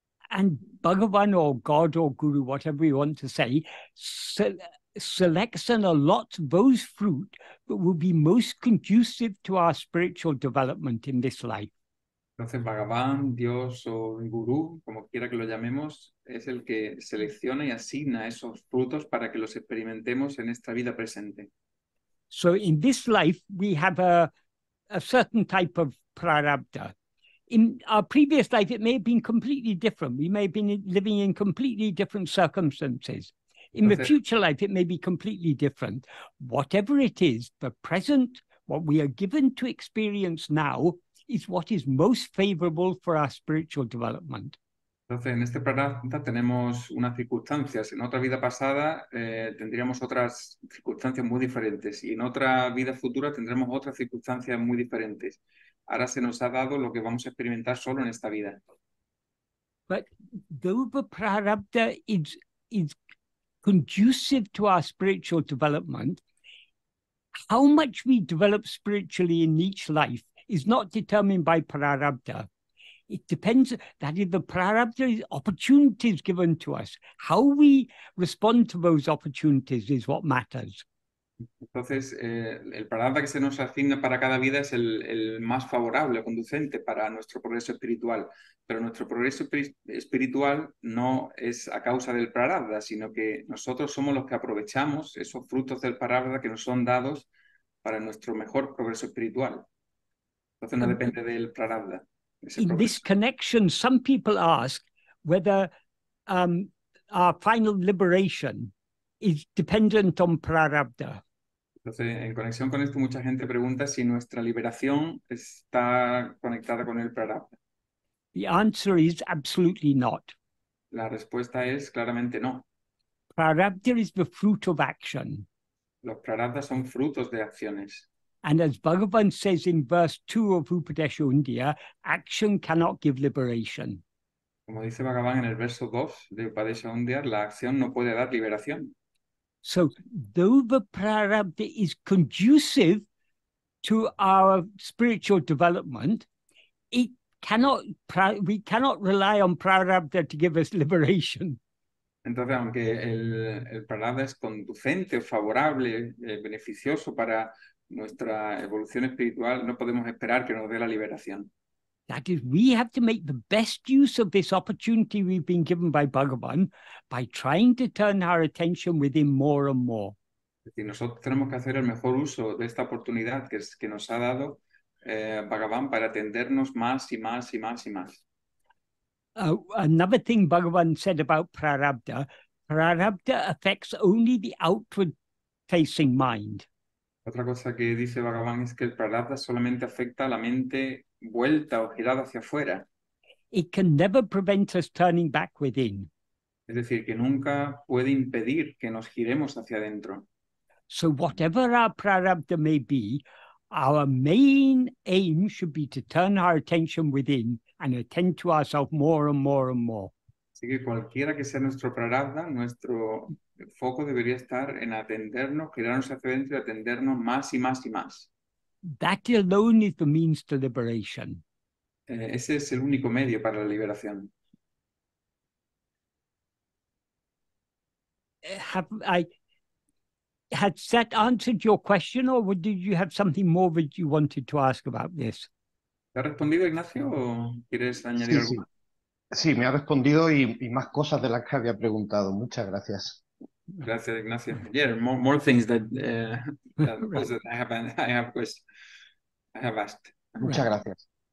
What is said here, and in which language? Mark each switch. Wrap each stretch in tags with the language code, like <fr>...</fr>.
<en>And Bhagavan or God or Guru, whatever you want to say, selects and allots those fruit that will be most conducive to our spiritual development in this life.</en> <es>Entonces, Bhagavan, Dios o Guru, como quiera que lo llamemos, es el que selecciona y asigna esos frutos para que los experimentemos en esta vida presente.</es> <en>So in this life, we have a certain type of prarabdha. In our previous life, it may have been completely different. We may have been living in completely different circumstances. In the future life, it may be completely different. Whatever it is, the present, what we are given to experience now, is what is most favorable for our spiritual development.</en> <es>Entonces, en este prarabdha tenemos unas circunstancias. En otra vida pasada tendríamos otras circunstancias muy diferentes. Y en otra vida futura tendremos otras circunstancias muy diferentes. Ahora se nos ha dado lo que vamos a experimentar solo en esta vida.</es> <en>But though the prarabdha is conducive to our spiritual development, how much we develop spiritually in each life is not determined by prarabdha. It depends, that is, the prarabdha is opportunities given to us. How we respond to those opportunities is what matters.</en> <es>Entonces, el prarabdha que se nos asigna para cada vida es el más favorable, conducente para nuestro progreso espiritual. Pero nuestro progreso espiritual no es a causa del prarabdha, sino que nosotros somos los que aprovechamos esos frutos del prarabdha que nos son dados para nuestro mejor progreso espiritual. Entonces, no depende del prarabdha.</es> <en>In this connection, some people ask whether our final liberation is dependent on prarabdha.</en> <es>Entonces, en conexión con esto, mucha gente pregunta si nuestra liberación está conectada con el prarabdha.</es> <en>The answer is absolutely not.</en> <es>La respuesta es claramente no.</es> <en>Prarabdha is the fruit of action.</en> <es>Los prarabdhas son frutos de acciones.</es> <en>And as Bhagavan says in verse 2 of 𝘷𝘪ṣ𝘢𝘺𝘢, action cannot give liberation.</en> <es>Como dice Bhagavan en el verso 2 de 𝘷𝘪ṣ𝘢𝘺𝘢, la acción no puede dar liberación.</es> <en>So, though the prarabdha is conducive to our spiritual development, we cannot rely on prarabdha to give us liberation.</en> <es>Entonces, aunque el prarabdha es conducente, favorable, beneficioso para nuestra evolución espiritual, no podemos esperar que nos dé la liberación.</es> <en>That is, we have to make the best use of this opportunity we've been given by Bhagavan by trying to turn our attention within more and more.</en> <es>Es decir, nosotros tenemos que hacer el mejor uso de esta oportunidad que nos ha dado Bhagavan para atendernos más y más y más y más.</es> <en>Another thing Bhagavan said about prarabdha, prarabdha affects only the outward facing mind.</en> <es>Otra cosa que dice Bhagavan es que el prarabdha solamente afecta a la mente vuelta o girada hacia afuera.</es> <en>It can never prevent us turning back within.</en> <es>Es decir, que nunca puede impedir que nos giremos hacia adentro.</es> <en>So whatever our prarabdha may be, our main aim should be to turn our attention within and attend to ourselves more and more and more.</en> <es>Así que cualquiera que sea nuestro prarabdha, nuestro foco debería estar en atendernos, girarnos hacia adentro y atendernos más y más y más.</es> <en>That alone is the means to liberation.</en> <es>Ese es el único medio para la liberación.</es> <en>Has that answered your question, or did you have something more that you wanted to ask about this?</en> <es>¿Te ha respondido, Ignacio, o quieres añadir algo? Sí, me ha respondido y más cosas de las que había preguntado. Muchas gracias. Gracias,</es> <en>Ignacio. Yeah, more things that I have asked.</en> <es>Muchas gracias.</es>